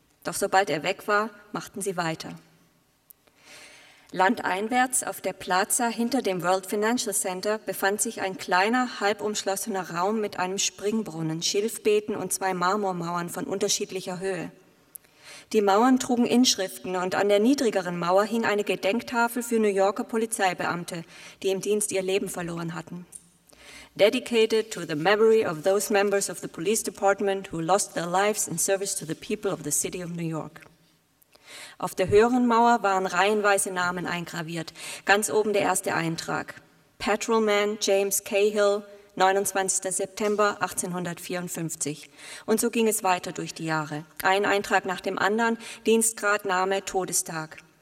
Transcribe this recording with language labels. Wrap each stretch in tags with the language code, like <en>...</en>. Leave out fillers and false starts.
<de>Doch sobald er weg war, machten sie weiter. Landeinwärts auf der Plaza hinter dem World Financial Center befand sich ein kleiner, halb umschlossener Raum mit einem Springbrunnen, Schilfbeeten und zwei Marmormauern von unterschiedlicher Höhe. Die Mauern trugen Inschriften und an der niedrigeren Mauer hing eine Gedenktafel für New Yorker Polizeibeamte, die im Dienst ihr Leben verloren hatten.</de> <en>Dedicated to the memory of those members of the police department who lost their lives in service to the people of the city of New York.</en> <de>Auf der höheren Mauer waren reihenweise Namen eingraviert. Ganz oben der erste Eintrag. Patrolman James Cahill, 29. September 1854. Und so ging es weiter durch die Jahre. Ein Eintrag nach dem anderen, Dienstgrad, Name, Todestag.</de>